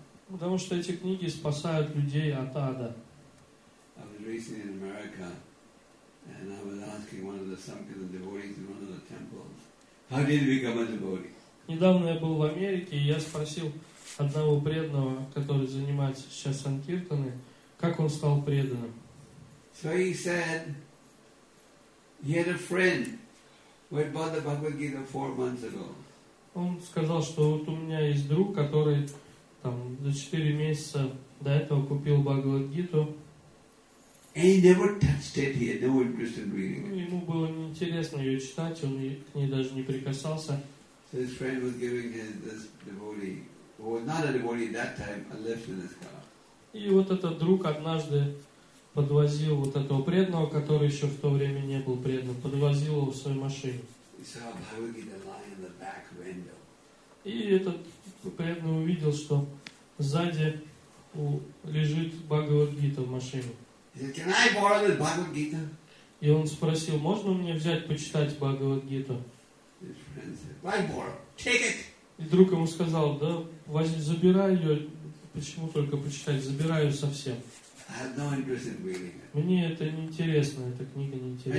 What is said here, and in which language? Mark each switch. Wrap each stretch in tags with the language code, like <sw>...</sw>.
<ru>Потому что эти книги спасают людей от ада.</ru> <en>I was recently in America. And I was asking one of the Sankirtan devotees in one of the temples, how did you become a devotee?</en> <ru>Недавно я был в Америке, и я спросил одного преданного, который занимается сейчас санкиртаны, как он стал преданным.</ru> <en>So he said, he had a friend who had bought the Bhagavad Gita 4 months ago.</en> <ru>Он сказал, что вот у меня есть друг, который там за 4 месяца до этого купил Бхагавад Гиту.</ru> <en>And he never touched it. He had no interest in reading it.</en> <ru>Ему было неинтересно ее читать. Он к ней даже не прикасался.</ru> <en>So his friend was giving this devotee, who was not a devotee at that time, a lift in his car.</en> <ru>И вот этот друг однажды подвозил вот этого преданного, который еще в то время не был преданным, подвозил его в своей машине.</ru> <en>He saw Bhagavad Gita lying in the back window.</en> <ru>И этот преданный увидел, что сзади лежит Бхагавад Гита в машине.</ru> <en>He said, can I borrow the Bhagavad Gita?</en> <ru>И он спросил, можно мне взять почитать Бхагавад Гиту?</ru> <en>His friend said, why borrow? Take it!</en> <ru>И друг ему сказал, да, возьми, забирай ее. Почему только почитать? Забирай ее совсем.</ru> <en>I have no interest in reading it.</en> <ru>Мне это не интересно, эта книга не интересна.</ru>